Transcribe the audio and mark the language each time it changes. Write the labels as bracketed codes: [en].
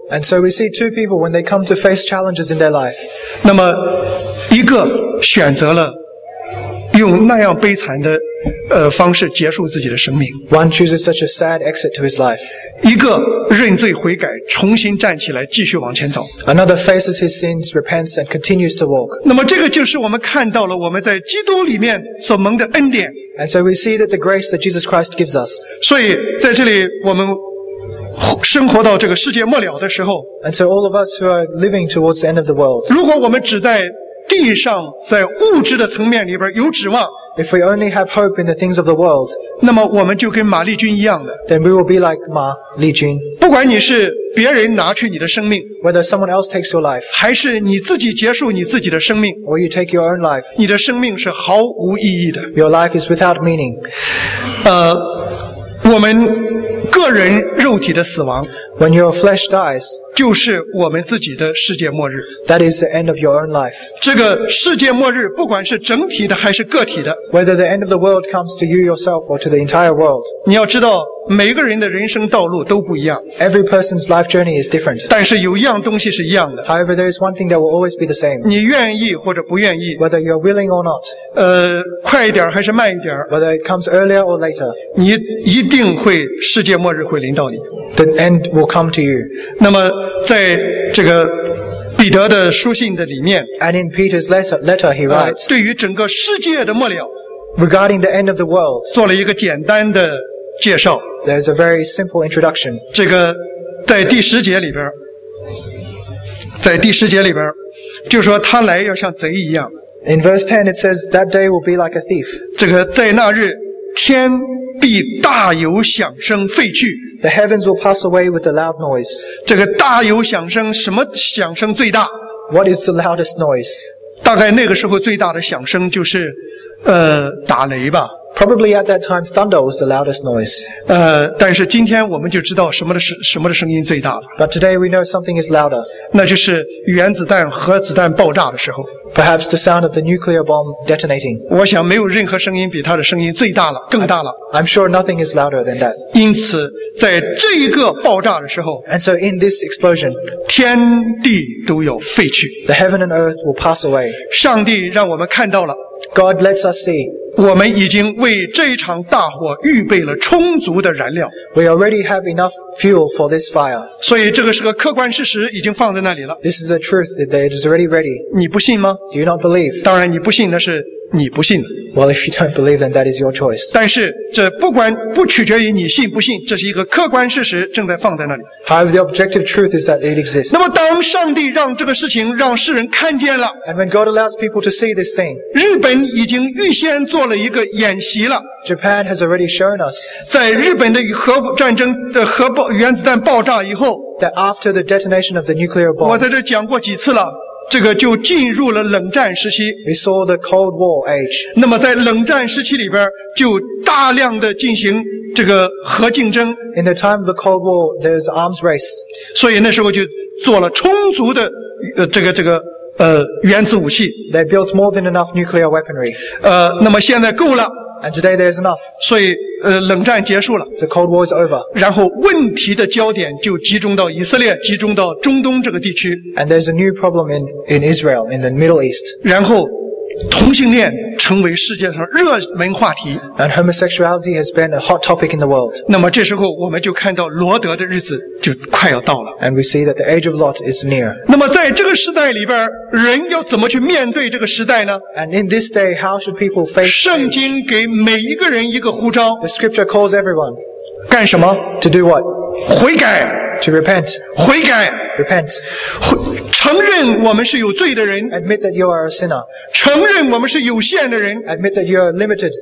[en] and so we see two people when they come to face challenges in their life [zh] 那么一个选择了用那样悲惨的方式结束自己的生命。 [en] One chooses such a sad exit to his life. [zh] 一个认罪悔改，重新站起来，继续往前走。 [en] Another faces his sins, repents, and continues to walk. [zh] 那么这个就是我们看到了我们在基督里面所蒙的恩典。 [en] And so we see that the grace that Jesus Christ gives us. [zh] 所以在这里我们生活到这个世界末了的时候。 [en] And so all of us who are living towards the end of the world. [zh] 如果我们只在地上在物质的层面里边有指望 [en] If we only have hope in the things of the world, [zh] 那么我们就跟马丽君一样的 [en] Then we will be like 马丽君 [zh] 不管你是别人拿去你的生命 [en] Whether someone else takes your life, [zh] 还是你自己结束你自己的生命 [en] Or you take your own life, [zh] 你的生命是毫无意义的 [en] Your life is without meaning. [zh] 我们个人肉体的死亡 [en] When your flesh dies, [zh] 就是我们自己的世界末日 [en] That is the end of your own life. [zh] 这个世界末日不管是整体的还是个体的 [en] Whether the end of the world comes to you yourself or to the entire world. [zh] 你要知道每个人的人生道路都不一样 [en] Every person's life journey is different. [zh] 但是有一样东西是一样的 [en] However, there is one thing that will always be the same. [zh] 你愿意或者不愿意 [en] Whether you're willing or not. [zh] 快一点还是慢一点 [en] Whether it comes earlier or later. [zh] 你一定会世界末日会临到你 [en] The end will come to you. [zh] 那么在这个彼得的书信的里面 [en] And in Peter's letter he writes, [zh] 对于整个世界的末了 [en] Regarding the end of the world, [zh] 做了一个简单的介绍 [en] There's a very simple introduction. [zh] 这个在第十节里边在第十节里边就说他来要像贼一样 [en] In verse 10 it says, that day will be like a thief. [zh] 这个在那日天必大有响声废去 [en] The heavens will pass away with a loud noise. [zh] 这个大有响声什么响声最大 [en] What is the loudest noise? [zh] 大概那个时候最大的响声就是打雷吧 [en] Probably at that time, thunder was the loudest noise. [zh] 但是今天我们就知道什么的声音最大了。 [en] But today we know something is louder. [zh] 那就是原子弹、核子弹爆炸的时候。 [en] Perhaps the sound of the nuclear bomb detonating. [zh] 我想没有任何声音比它的声音最大了，更大了。 [en] I'm sure nothing is louder than that. [zh] 因此，在这一个爆炸的时候 [en] ，And so in this explosion, [zh] 天地都要废去。 [en] The heaven and earth will pass away. [zh] 上帝让我们看到了。 [en] God lets us see. [zh] 我们已经为这一场大火预备了充足的燃料。 [en] We already have enough fuel for this fire. [zh] 所以这个是个客观事实，已经放在那里了。 [en] This is a truth that it is already ready. [zh] 你不信吗 [en] ？Do you not believe? [zh] 当然，你不信那是你不信。 [en] Well, if you don't believe, then that is your choice. [zh] 但是这不取决于你信不信，这是一个客观事实，正在放在那里。 [en] However, the objective truth is that it exists. [zh] 那么当上帝让这个事情让世人看见了 [en] ，And when God allows people to see this thing, [zh] 日本已经预先做了一个演习了。 [en] Japan has already shown us. [zh] 在日本的核战争的核爆原子弹爆炸以后 [en] ，That after the detonation of the nuclear bombs, [zh] 我在这讲过几次了。这个就进入了冷战时期。 [en] We saw the Cold War age. [zh] 那么在冷战时期里边就大量的进行这个核竞争。 [en] In the time of the Cold War, there's arms race. [zh] 所以那时候就做了充足的这个原子武器。 [en] They built more than enough nuclear weaponry. [zh] 那么现在够了。 [en] And today there's enough. [zh] 所以冷战结束了。 [en] The Cold War is over. [zh] 然后问题的焦点就集中到以色列，集中到中东这个地区。 [en] And there's a new problem in Israel, in the Middle East. [zh] 然后同性恋成为世界上热门话题。 [en] And homosexuality has been a hot topic in the world. [zh] 那么这时候我们就看到罗德的日子就快要到了。 [en] And we see that the age of Lot is near. [zh] 那么在这个时代里边，人要怎么去面对这个时代呢？ [en] And in this day, how should people face? [zh] 圣经给每一个人一个呼召。 [en] The scripture calls everyone. [zh] 干什么？ [en] To do what? [zh] 悔改。 [en] To repent. [zh] 悔改。 [en] Repent. [zh] 承认我们是有罪的人。 [en] Admit that you are a sinner. [zh] 承认我们是有限的人。 [en] Admit that you are limited.